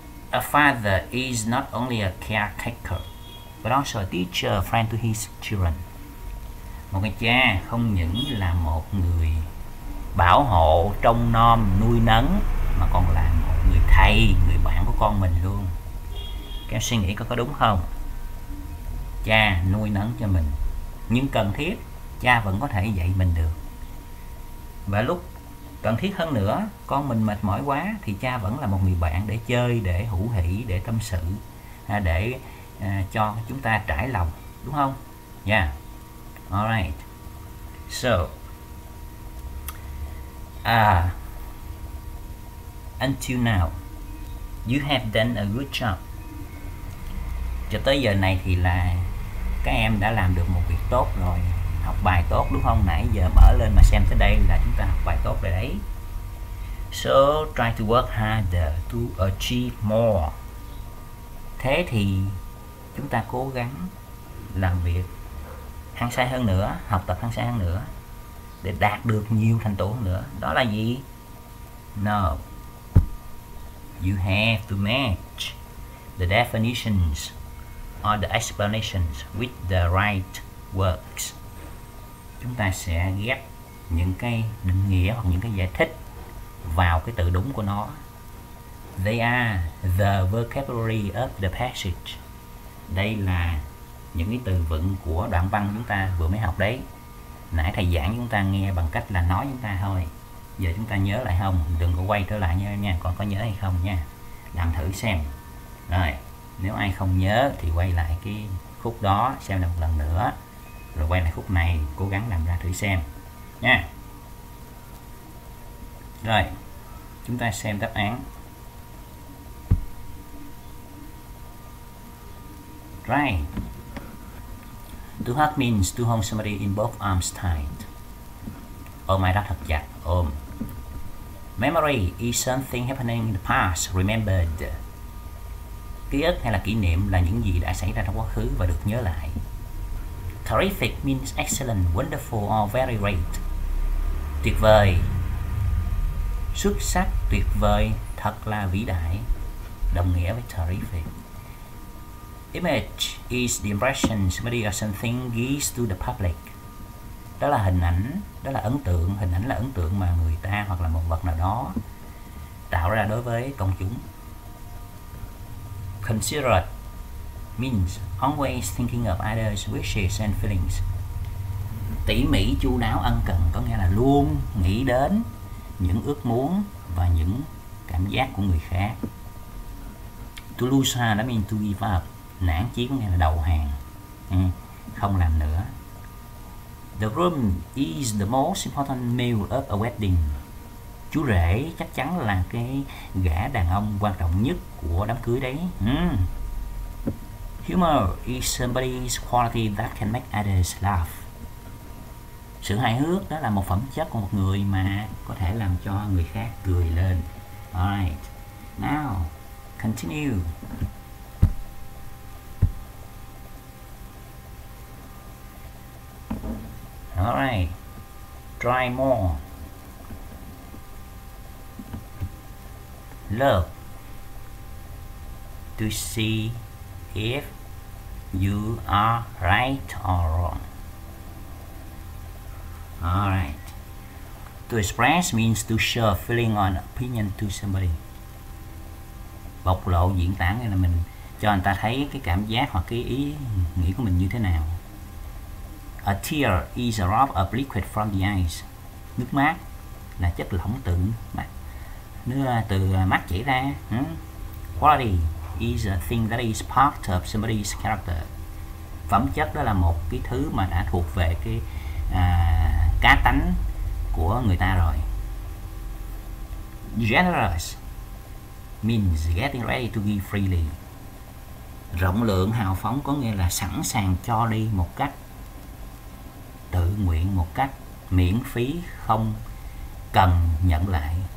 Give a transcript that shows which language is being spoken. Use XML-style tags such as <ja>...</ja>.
<en>A father is not only a caretaker but also a teacher, a friend to his children.</en> <vi>Một người cha không những là một người bảo hộ, trông nom, nuôi nấng mà còn là một người thầy, người bạn của con mình luôn. Các em suy nghĩ có đúng không? Cha nuôi nấng cho mình, nhưng cần thiết cha vẫn có thể dạy mình được. Và lúc cần thiết hơn nữa, con mình mệt mỏi quá thì cha vẫn là một người bạn để chơi, để hủ hỉ, để tâm sự, để cho chúng ta trải lòng, đúng không?</vi> <en>Yeah. Alright. So until now you have done a good job</en> <vi>Cho tới giờ này thì là các em đã làm được một việc tốt rồi, học bài tốt đúng không? Nãy giờ mở lên mà xem tới đây là chúng ta học bài tốt rồi đấy.</vi> <en>So try to work harder to achieve more.</en> <vi>Thế thì chúng ta cố gắng làm việc hăng say hơn nữa, học tập hăng say hơn nữa để đạt được nhiều thành tựu hơn nữa. Đó là gì? No.</vi> <en>You have to match the definitions or the explanations with the right words.</en> <vi>Chúng ta sẽ ghép những cái định nghĩa hoặc những cái giải thích vào cái từ đúng của nó.</vi> <en>They are the vocabulary of the passage.</en> <vi>Đây là những cái từ vựng của đoạn văn chúng ta vừa mới học đấy. Nãy thầy giảng chúng ta nghe bằng cách là nói chúng ta thôi. Giờ chúng ta nhớ lại không? Đừng có quay trở lại nha, nha. Con có nhớ hay không nha? Làm thử xem. Rồi, nếu ai không nhớ thì quay lại cái khúc đó xem lại một lần nữa. Rồi quay lại khúc này, cố gắng làm ra thử xem nha. Rồi, chúng ta xem đáp án.</vi> <en>Right. To hug means to hold somebody in both arms tight.</en> <vi>Ôm ai đó thật chặt, ôm.</vi> <en>Memory is something happening in the past, remembered.</en> <vi>Ký ức hay là kỷ niệm là những gì đã xảy ra trong quá khứ và được nhớ lại.</vi> <en>Terrific means excellent, wonderful or very great.</en> <vi>Tuyệt vời, xuất sắc, tuyệt vời, thật là vĩ đại, đồng nghĩa với terrific.</vi> <en>Image is the impression somebody or something gives to the public.</en> <vi>Đó là hình ảnh, đó là ấn tượng, hình ảnh là ấn tượng mà người ta hoặc là một vật nào đó tạo ra đối với công chúng.</vi> <en>Considerate means always thinking of others' wishes and feelings.</en> <vi>Tỉ mỉ, chu đáo, ân cần có nghĩa là luôn nghĩ đến những ước muốn và những cảm giác của người khác.</vi> <en>To lose heart, that means to give up.</en> <vi>Nản chí có nghĩa là đầu hàng, không làm nữa.</vi> <en>The groom is the most important male of a wedding.</en> <vi>Chú rể chắc chắn là cái gã đàn ông quan trọng nhất của đám cưới đấy.</vi> <en>Humor is somebody's quality that can make others laugh.</en> <vi>Sự hài hước đó là một phẩm chất của một người mà có thể làm cho người khác cười lên.</vi> <en>Alright, now continue. Alright, try more. Look to see if you are right or wrong. Alright, to express means to show feeling or opinion to somebody.</en> <vi>Bộc lộ, diễn tả nghĩa là mình cho người ta thấy cái cảm giác hoặc cái ý nghĩ của mình như thế nào.</vi> <en>A tear is a drop of liquid from the eyes.</en> <vi>Nước mắt là chất lỏng từ mắt, nước từ mắt chảy ra.</vi> <en>Quality is a thing that is part of somebody's character.</en> <vi>Phẩm chất đó là một cái thứ mà đã thuộc về cái cá tánh của người ta rồi.</vi> <en>Generous means getting ready to give freely.</en> <vi>Rộng lượng, hào phóng có nghĩa là sẵn sàng cho đi một cách tự nguyện, một cách miễn phí, không cần nhận lại.</vi>